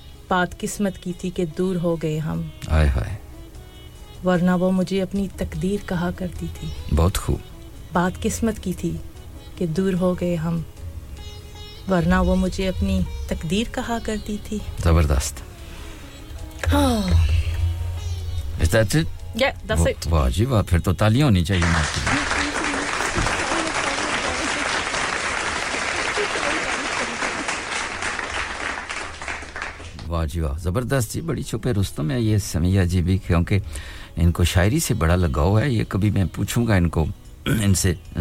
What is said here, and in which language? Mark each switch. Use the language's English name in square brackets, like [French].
[Hindi] बात किस्मत की थी कि दूर हो गए हम हाय हाय वरना वो मुझे अपनी तकदीर कहा करती थी बहुत खूब बात किस्मत की थी कि दूर हो गए हम वरना वो मुझे अपनी तकदीर कहा करती थी जबरदस्त [English] Is that it? Yeah, that's it. [Hindi] वाह जी वाह फिर तो तालियां होनी चाहिए मार्क वाह जी वाह जबरदस्त जी बड़ी छुपे रुस्तम है ये समैया जी भी क्योंकि इनको शायरी से बड़ा लगाव है ये कभी मैं पूछूंगा इनको इनसे